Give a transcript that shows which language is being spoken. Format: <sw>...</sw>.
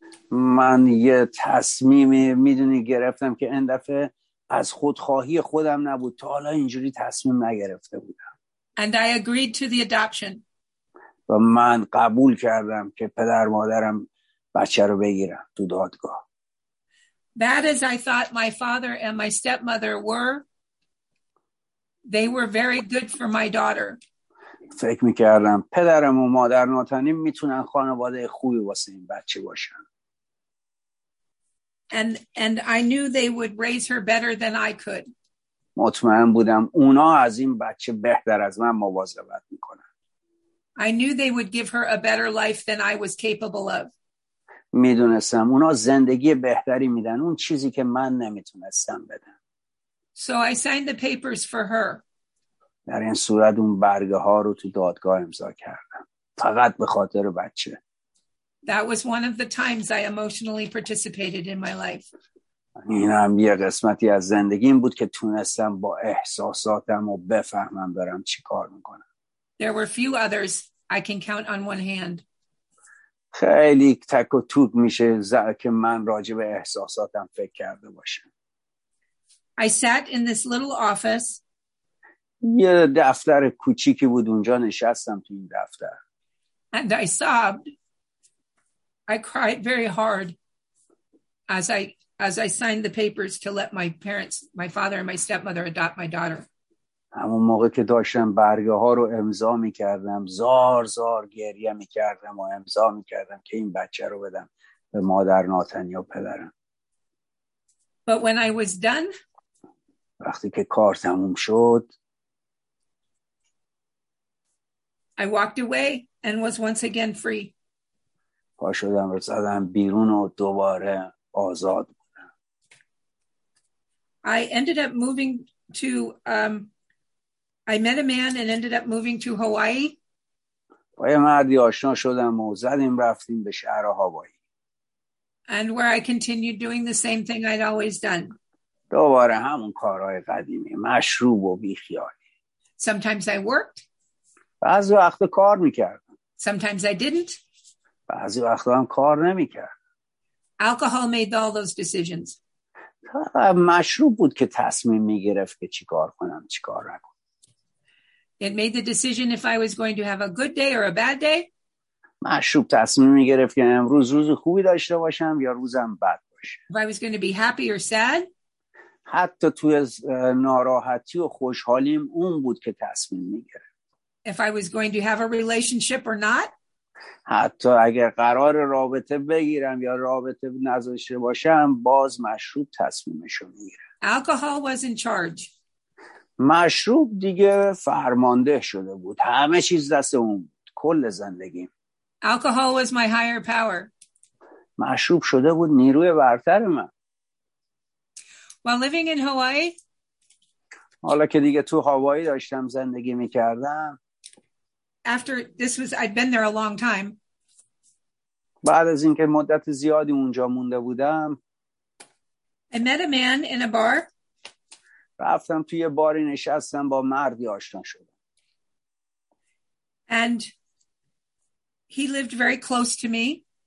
<fa>من یه تصمیمی میدونی گرفتم که این دفعه از خودخواهی خودم نبود، تا حالا اینجوری تصمیم نگرفته بودم.</fa> <en>And I agreed to the adoption.</en> <fa>و من قبول کردم که پدر مادرم بچه رو بگیرم تو دادگاه.</fa> <en>Bad as I thought my father and my stepmother were, they were very good for my daughter.</en> <fa>فکر میکردم پدرم و مادر ناتنیم میتونن خانواده خوبی واسه این بچه باشن.</fa> <en>And I knew they would raise her better than I could.</en> <fa>مطمئن بودم اونا از این بچه بهتر از من مواظبت میکنن.</fa> <en>I knew they would give her a better life than I was capable of.</en> <fa>میدونستم اونا زندگی بهتری میدن، اون چیزی که من نمیتونستم بدم.</fa> <en>So I signed the papers for her.</en> <fa>در این صورت اون برگه ها رو تو دادگاه امضا کردم، فقط به خاطر بچه.</fa> <en>That was one of the times I emotionally participated in my life.</en> <fa>این هم یه قسمتی از زندگیم بود که تونستم با احساساتم و بفهمم دارم چی کار میکنم.</fa> <en>There were few others I can count on one hand.</en> <fa>خیلی تک و توک میشه زر که من راجع به احساساتم فکر کرده باشم.</fa> <en>I sat in this little office.</en> <fa>یه دفتر کوچیکی بود اونجا نشستم تو این دفتر.</fa> <en>And I sobbed. I cried very hard as I as I signed the papers to let my parents, my father and my stepmother, adopt my daughter.</en> <fa>همون موقع که داشتم برگه ها رو امضا میکردم، زار زار گریه میکردم و امضا میکردم که این بچه رو بدم به مادر ناتن یا پدرم.</fa> <en>But when I was done,</en> <fa>وقتی که کار تموم شد،</fa> <en>I walked away and was once again free.</en> <fa>پا شدم و زدم بیرون و دوباره آزاد بودم.</fa> <en>I ended up moving to I met a man and ended up moving to Hawaii.</en> <fa>با یه مردی آشنا شدم و زدیم رفتیم به شهر هاوایی.</fa> <en>And where I continued doing the same thing I'd always done.</en> <fa>دوباره همون کارهای قدیمی، مشروب و بیخیالی.</fa> <en>Sometimes I worked.</en> <fa>بعضی وقتا کار میکردم.</fa> <en>Sometimes I didn't.</en> <fa>بعضی وقتا هم کار نمیکردم.</fa> <en>Alcohol made all those decisions.</en> <fa>مشروب بود که تصمیم میگرفت که چی کار کنم، چی کار نکنم.</fa> <en>It made the decision if I was going to have a good day or a bad day.</en> <fa>مشروب تصمیم میگرفت که امروز روز خوبی داشته باشم یا روزم بد باشه.</fa> <en>If I was going to be happy or sad.</en> <fa>حتی توی ناراحتی و خوشحالیم اون بود که تصمیم میگرفت.</fa> <en>If I was going to have a relationship or not.</en> <fa>حتی اگر قرار رابطه بگیرم یا رابطه نذاشته باشم باز مشروب تصمیمشو میگیره.</fa> <en>Alcohol was in charge.</en> <fa>مشروب دیگه فرمانده شده بود، همه چیز دست اون بود، کل زندگیم.</fa> <en>Alcohol was my higher power.</en> <fa>مشروب شده بود نیروی برتر من.</fa> <en>While living in Hawaii.</en> <fa>حالا که دیگه تو هاوایی داشتم زندگی میکردم.</fa> <en>After this was, I'd been there a long time.</en> <fa>بعد از اینکه مدت زیادی اونجا مونده بودم.</fa> <en>I met a man in a bar.</en> <fa>رفتم توی باری نشستم با مردی آشنا شدم.</fa> <en>And he lived very close to me.</en>